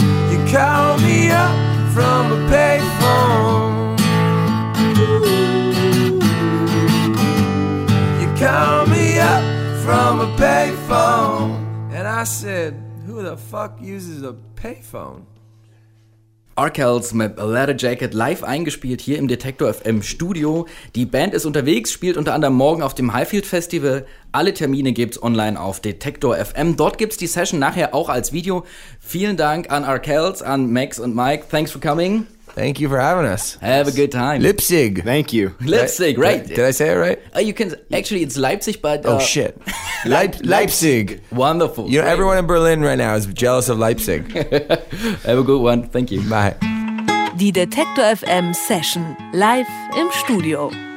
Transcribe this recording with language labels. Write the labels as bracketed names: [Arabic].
[English] You call me up from a payphone. You call me up from a payphone. I said, who the fuck uses a payphone? [German] Arkells mit Leather Jacket live eingespielt hier im Detektor FM Studio. Die Band ist unterwegs, spielt unter anderem morgen auf dem Highfield Festival. Alle Termine gibt's online auf Detektor FM. Dort gibt's die Session nachher auch als Video. Vielen Dank an Arkells, an Max und Mike. [English] Thanks for coming. Thank you for having us. Have a good time. Leipzig. Thank you. Leipzig, right? Did I say it right? You can actually. It's Leipzig, but oh shit, Leipzig. Wonderful. You know, great. Everyone in Berlin right now is jealous of Leipzig. Have a good one. Thank you. Bye. [German] Die Detektor FM Session live im Studio.